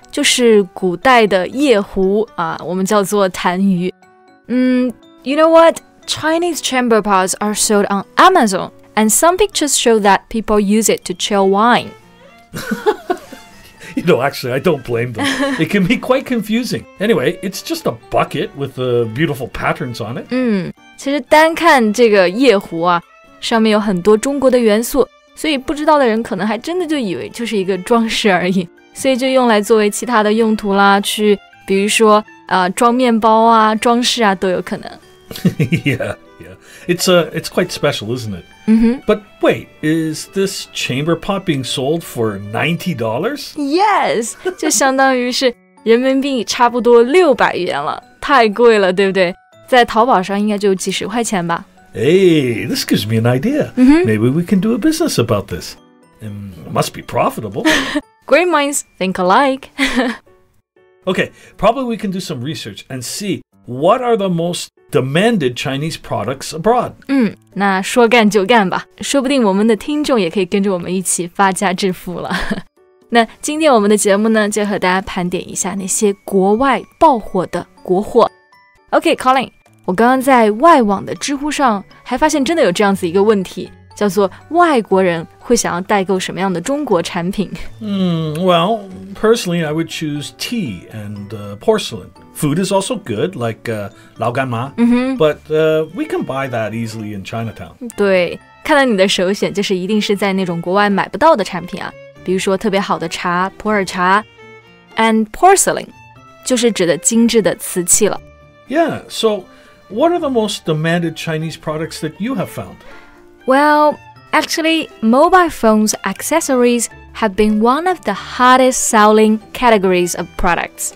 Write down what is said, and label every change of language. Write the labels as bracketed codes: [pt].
[zh] 就是古代的夜壶、我们叫做痰盂。 [en] You know what? Chinese chamber pots are sold on Amazon, and some pictures show that people use it to chill wine. You know, actually, I don't blame them. It can be quite confusing. Anyway, it's just a bucket with the beautiful patterns on it. [zh] 其实单看这个夜壶啊，上面有很多中国的元素，所以不知道的人可能还真的就以为就是一个装饰而已。所以就用来作为其他的用途啦，去比如说、装面包啊，装饰啊，都有可能。 [en] yeah. It's quite special, isn't it? But wait, is this chamber pot being sold for $90? [zh] Yes, 就相当于是人民币差不多600元了，太贵了，对不对？在淘宝上应该就几十块钱吧。 [en] Hey, this gives me an idea. Maybe we can do a business about this. It must be profitable. Great minds think alike. Okay, probably we can do some research and see what are the most... demanded Chinese products abroad. [zh] 那说干就干吧，说不定我们的听众也可以跟着我们一起发家致富了。那今天我们的节目呢，就和大家盘点一下那些国外爆火的国货。 OK, Colin, 我刚刚在外网的知乎上还发现真的有这样子一个问题，叫做外国人会想要代购什么样的中国产品？ [en] Well, personally, I would choose tea and porcelain. Food is also good, like 老干妈。But we can buy that easily in Chinatown. [zh] 对，看来你的首选就是一定是在那种国外买不到的产品啊，比如说特别好的茶，普洱茶。 [en] And porcelain [zh] 就是指的精致的瓷器了。 [en] Yeah, so what are the most demanded Chinese products that you have found? Well... Actually, mobile phones accessories have been one of the hottest selling categories of products.